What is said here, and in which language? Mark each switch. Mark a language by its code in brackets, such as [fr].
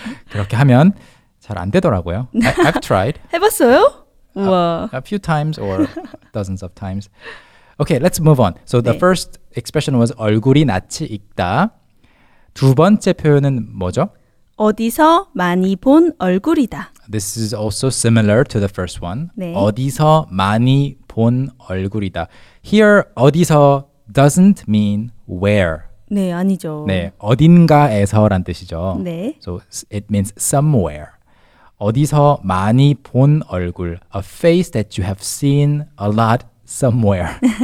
[ko] 그렇게 하면 잘 안 되더라고요. [en] I've tried. [ko] 해봤어요? [en] A few times or dozens of times. Okay, let's move on. So the 네. first expression was [ko] 얼굴이 낯이 익다. 두 번째 표현은 뭐죠? 어디서 많이 본 얼굴이다. [en] This is also similar to the first one. [ko] 네. 어디서 많이 본 얼굴이다. [en] Here, 어디서 doesn't mean where. [ko] 네, 아니죠. 네, 어딘가에서란 뜻이죠. 네. [en] So it means somewhere. 어디서 많이 본 얼굴, a face that you have seen a lot somewhere.